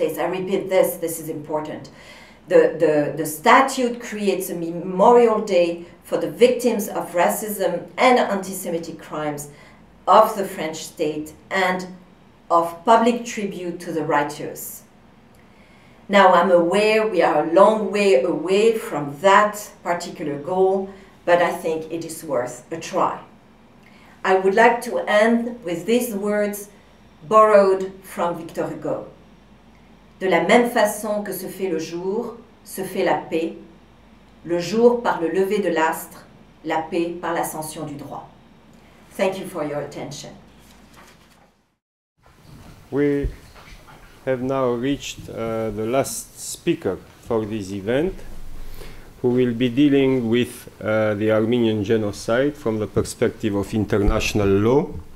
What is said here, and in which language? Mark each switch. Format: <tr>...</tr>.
<en>I repeat this is important. The statute creates a memorial day for the victims of racism and anti-Semitic crimes of the French state and of public tribute to the righteous. Now, I'm aware we are a long way away from that particular goal, but I think it is worth a try. I would like to end with these words borrowed from Victor Hugo.</en> <fr>De la même façon que se fait le jour, se fait la paix. Le jour par le lever de l'astre, la paix par l'ascension du droit.</fr> <en>Thank you for your attention. We have now reached the last speaker for this event, who will be dealing with the Armenian genocide from the perspective of international law.</en>